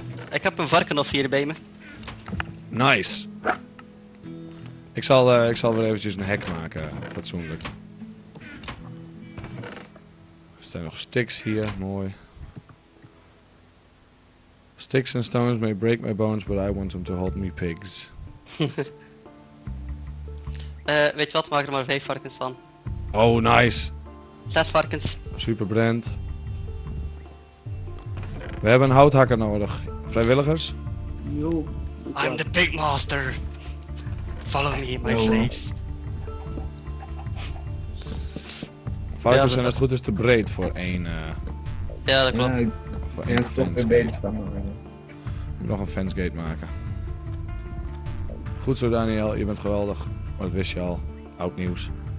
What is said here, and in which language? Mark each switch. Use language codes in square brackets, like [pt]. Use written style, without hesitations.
[nl] Ik heb een varkenhof hier bij me. [en] Nice. [nl] Ik zal weer eventjes een hek maken, fatsoenlijk. Er zijn nog sticks hier, mooi. [en] Sticks and stones may break my bones, but I want them to hold me pigs. [nl] Weet je wat, maak er maar 5 varkens van. [en] Oh, nice. [nl] 6 varkens. Super brand. We hebben een houthakker nodig. Vrijwilligers? [en] Yo. I'm the pig master. Follow me, my slaves. [nl] Varkens ja, zijn als het goed is te breed voor één. Ja, dat klopt. Voor één fence gate. Nog een fence gate maken. Goed zo, Daniel. Je bent geweldig. Maar dat wist je al. Oud nieuws.